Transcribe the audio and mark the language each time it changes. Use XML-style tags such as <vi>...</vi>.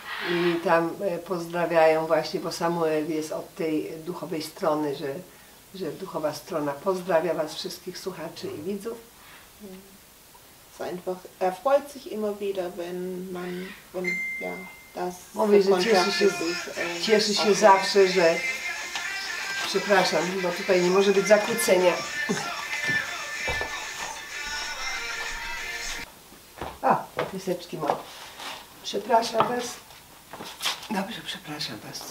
<pl>I tam pozdrawiają właśnie, bo Samuel jest od tej duchowej strony, że duchowa strona pozdrawia was wszystkich słuchaczy i widzów.</pl> <de>Er freut sich immer wieder, wenn man, wenn ja, das</de> <pl>mówię, że cieszy się, zawsze, że... Przepraszam, bo tutaj nie może być zakłócenia. A, piseczki mam. Przepraszam was. Dobrze, przepraszam was.</pl>